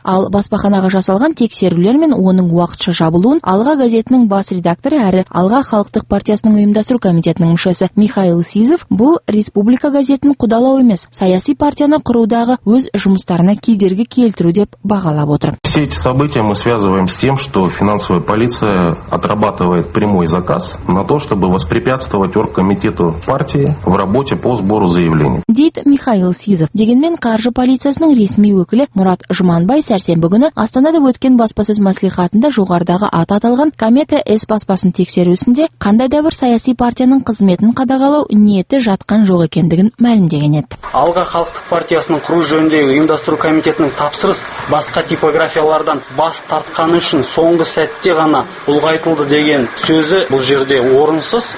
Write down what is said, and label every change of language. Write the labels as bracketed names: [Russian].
[Kazakh] Ал баспаханаға жасалған тексерулер мен оның уақытша жабылуын Алға газетінің бас редакторы әрі Алға халықтық партиясының ұйымдастыру комитетінің мүшесі Михаил Сизов, бұл Республика газетін құдалау емес, саяси партияны құрудағы өз жұмыстарына кедергі келтіру деп бағалап отыр. [Russian] Все эти события мы связываем с тем, что финансовая полиция отрабатывает прямой заказ на то, чтобы воспри препятствовать оргкомитету партии в работе по сбору заявлений. [Kazakh] Дейт Михаил Сизов. Дегенмен қаржы полициясының ресми өкілі Мұрат Жұманбай сәрсенбі күні Астанада өткен баспасөз мәслихатында жоғарыдағы аты аталған Комета S баспасын тексерісінде қандай да бір саяси партияның қызметін қадағалау ниеті жатқан жоқ екендігін мәлімдеген еді. Алға халықтық партиясының құру жөніндегі ұйымдастыру комитетінің тапсырыс басқа типографиялардан бас тартқаны үшін соңғы сәтте ғана ұлғайтылды деген сөзі бұл жерде орынсыз.